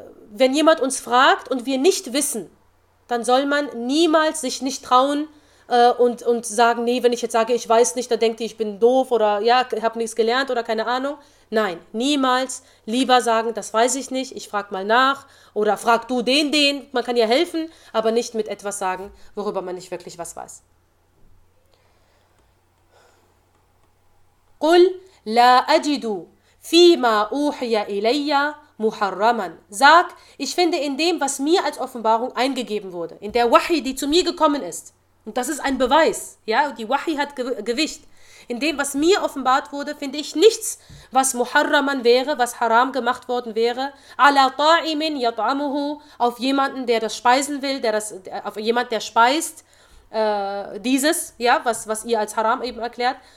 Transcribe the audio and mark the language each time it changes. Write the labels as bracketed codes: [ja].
[de] Wenn jemand uns fragt und wir nicht wissen, dann soll man niemals sich nicht trauen, und sagen, nee, wenn ich jetzt sage, ich weiß nicht, dann denkt ihr, ich bin doof oder ja, ich habe nichts gelernt oder keine Ahnung. Nein, niemals. Lieber sagen, das weiß ich nicht, ich frage mal nach oder frag du den. Man kann ja helfen, aber nicht mit etwas sagen, worüber man nicht wirklich was weiß. [ar] قُلْ لَا أَجِدُ فِي مَا أُوحِيَ إِلَيَّ مُحَرَّمًا. [de] Sag, ich finde in dem, was mir als Offenbarung eingegeben wurde, in der Wahi, die zu mir gekommen ist, und das ist ein Beweis, ja, die Wahi hat Gewicht. In dem, was mir offenbart wurde, finde ich nichts, was Muharraman wäre, was Haram gemacht worden wäre. [ar] Ala ta'imin yat'amuhu, [de] auf jemanden, der das speisen will, auf jemand, der speist, dieses, ja, was ihr als Haram eben erklärt.